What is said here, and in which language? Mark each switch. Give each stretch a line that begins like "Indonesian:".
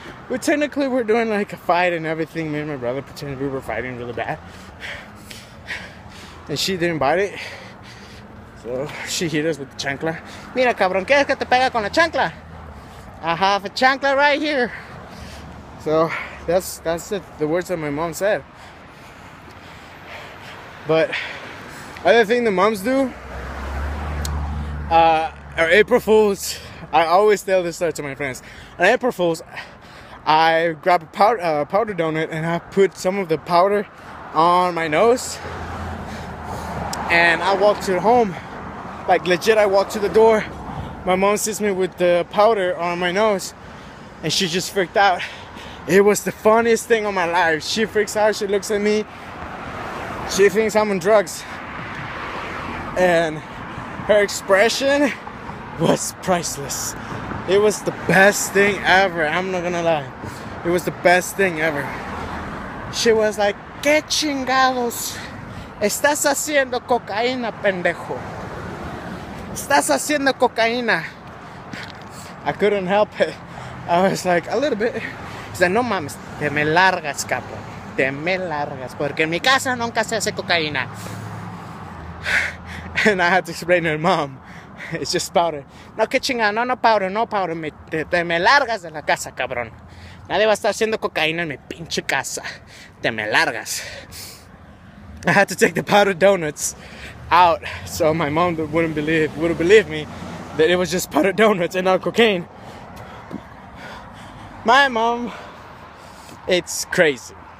English: We technically were doing like a fight and everything. Me and my brother pretended we were fighting really bad. And she didn't bite it. So she hit us with the chancla.
Spanish: Mira, cabrón, ¿quieres que te pega con la chancla?
English: I have a chancla right here. So that's it, the words that my mom said. But other thing the moms do, are April Fools. I always tell this story to my friends. On April Fools, I grab a powder donut, and I put some of the powder on my nose. And I walk to the home, like legit, I walk to the door. My mom sees me with the powder on my nose, and she just freaked out. It was the funniest thing of my life. She freaks out, she looks at me, she thinks I'm on drugs. And her expression was priceless. It was the best thing ever, I'm not gonna lie. It was the best thing ever. She was like,
Spanish: ¿Qué chingados? Estás haciendo cocaína, pendejo. Estás haciendo cocaína.
English: I couldn't help it. I was like, a little bit. He said,
Spanish: no mames, te me largas, capo. Te me largas, porque en mi casa nunca se hace cocaína.
English: And I had to explain to her mom. It's just powder.
Spanish: No, que chinga, no, no powder, no powder. Me largas de la casa, cabrón. Nadie va a estar haciendo cocaína en mi pinche casa. Te me largas.
English: I had to take the powdered donuts out so my mom wouldn't believe me that it was just powdered donuts and not cocaine. My mom, it's crazy.